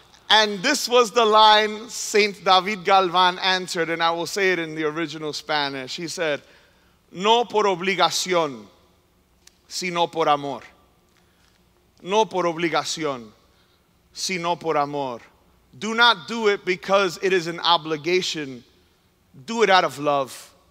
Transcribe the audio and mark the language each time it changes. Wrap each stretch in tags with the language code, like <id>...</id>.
<en>And this was the line Saint David Galvan answered, and I will say it in the original Spanish. He said,</en> <es>no por obligación, sino por amor. No por obligación, sino por amor.</es> <en>Do not do it because it is an obligation. Do it out of love.</en>